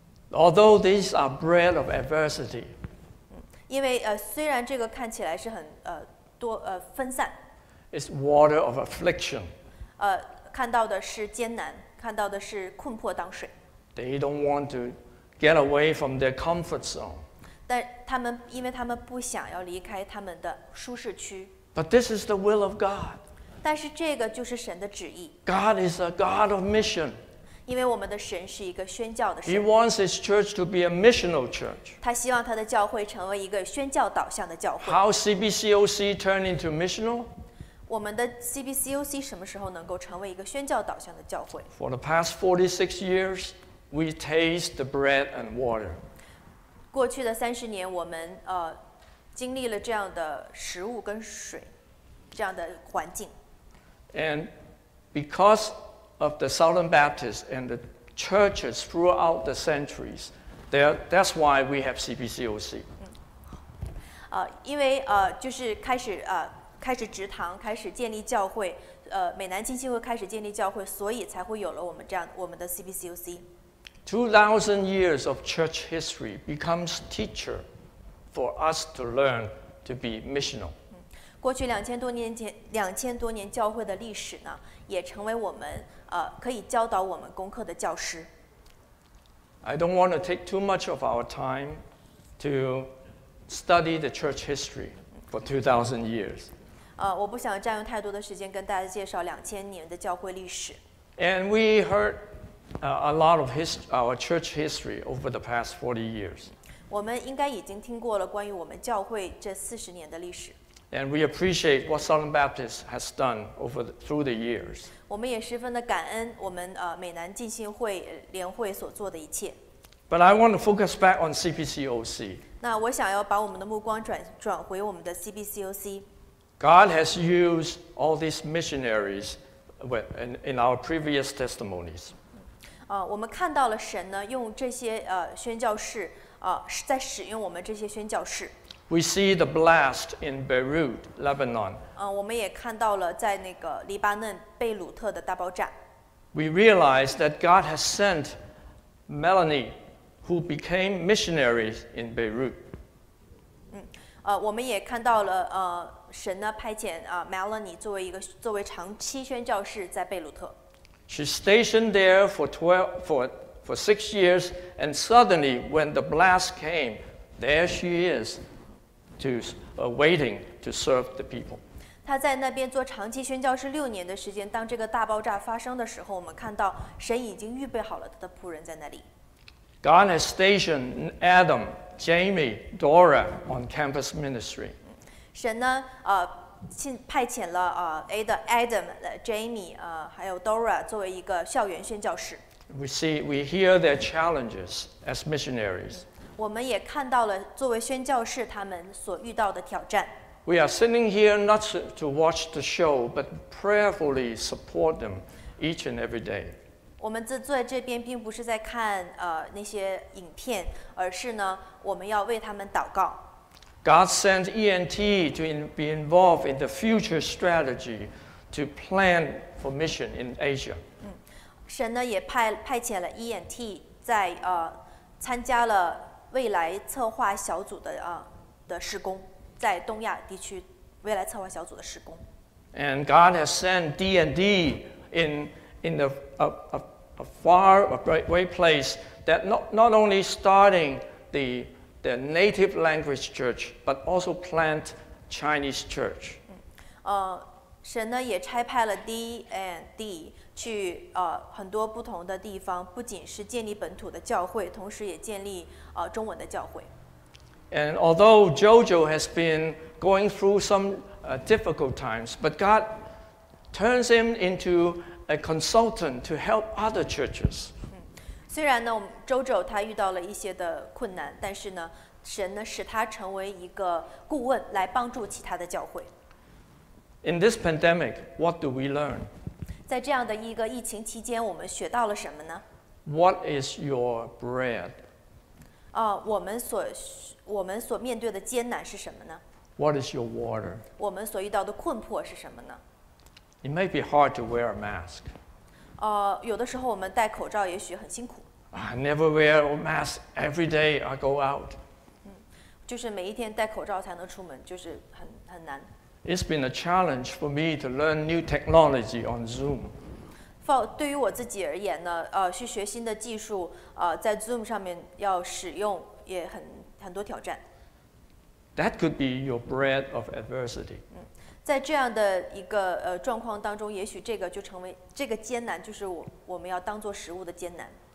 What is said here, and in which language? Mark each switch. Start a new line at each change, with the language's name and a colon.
English: Although these are bread of adversity.
Chinese: 因为虽然这个看起来是很多分散。
English: It's water of affliction.
Chinese: 看到的是艰难，看到的是困迫当水。
English: They don't want to get away from their comfort zone.
Chinese: 但他们因为他们不想要离开他们的舒适区。
English: But this is the will of God.
Chinese: 但是这个就是神的旨意。
English: God is a God of mission.
Chinese: 因为我们的神是一个宣教的神。
English: He wants his church to be a missional church.
Chinese: 他希望他的教会成为一个宣教导向的教会。
English: How CBCOC turned into missional?
Chinese: 我们的 CBCOC 什么时候能够成为一个宣教导向的教会？
English: For the past 46 years, we taste the bread and water.
Chinese: 过去的三十年，我们经历了这样的食物跟水，这样的环境。
English: And because of the Southern Baptists and the churches throughout the centuries, that's why we have CBCOC.
Chinese: 因为就是开始开始植堂，开始建立教会，美南浸信会开始建立教会，所以才会有了我们这样我们的 CBCOC。
English: 2,000 years of church history becomes teacher for us to learn to be missional。
Chinese: 过去2,000多年教会的历史呢，也成为我们可以教导我们功课的教师。
English: I don't want to take too much of our time to study the church history for 2,000 years。
Chinese: 我不想占用太多的时间跟大家介绍2000年的教会历史。
English: And we heard a lot of our church history over the past 40 years.
Chinese: 我们应该已经听过了关于我们教会这40年的历史。
English: And we appreciate what Southern Baptist has done through the years.
Chinese: 我们也十分的感恩我们美南浸信会联会所做的一切。
English: But I want to focus back on CBCOC.
Chinese: 那我想要把我们的目光转回我们的 CBCOC。
English: God has used all these missionaries in our previous testimonies.
Chinese: 我们看到了神呢，用这些宣教士在使用我们这些宣教士。
English: We see the blast in Beirut, Lebanon.
Chinese: 我们也看到了在那个黎巴嫩贝鲁特的大爆炸。
English: We realize that God has sent Melanie, who became missionaries in Beirut.
Chinese: 我们也看到了神呢派遣Melanie 作为长期宣教士在贝鲁特。
English: She stationed there for 6 years, and suddenly when the blast came, there she is, waiting to serve the people.
Chinese: 她在那边做长期宣教士6年的时间，当这个大爆炸发生的时候，我们看到神已经预备好了他的仆人在那里。
English: God has stationed Adam, Jamie, Dora on campus ministry.
Chinese: 神呢派遣了Adam, Jamie, 还有 Dora 作为一个校园宣教士。
English: We hear their challenges as missionaries.
Chinese: 我们也看到了作为宣教士他们所遇到的挑战。
English: We are sitting here not to watch the show, but prayerfully support them each and every day.
Chinese: 我们坐在这边并不是在看那些影片，而是呢，我们要为他们祷告。
English: God sent ENT to be involved in the future strategy to plan for mission in Asia.
Chinese: 神呢也派遣了 ENT 在参加了未来策划小组的施工，在东亚地区未来策划小组的施工。
English: And God has sent D&D in the a far away place that not only starting the native language church but also plant Chinese church.
Chinese: 神呢也差派了 D&D 去很多不同的地方，不仅是建立本土的教会，同时也建立中文的教会。
English: And although JoJo has been going through some difficult times, but God turns him into a consultant to help other churches.
Chinese: 虽然呢，JoJo他遇到了一些的困难，但是呢，神呢使他成为一个顾问，来帮助其他的教会。
English: In this pandemic, what do we learn?
Chinese: 在这样的一个疫情期间，我们学到了什么呢
English: ？What is your bread?
Chinese: 我们所面对的艰难是什么呢
English: ？What is your water?
Chinese: 我们所遇到的困迫是什么呢
English: ？It may be hard to wear a mask.
Chinese: 有的时候我们戴口罩也许很辛苦。
English: I never wear a mask every day I go out.
Chinese: 就是每一天戴口罩才能出门，就是很难。
English: It's been a challenge for me to learn new technology on Zoom.
Chinese: 对于我自己而言呢，去学新的技术，在 Zoom 上面要使用也很多挑战。
English: That could be your bread of adversity.
Chinese: 在这样的一个状况当中，也许这个就成为这个艰难，就是我们要当做食物的艰难。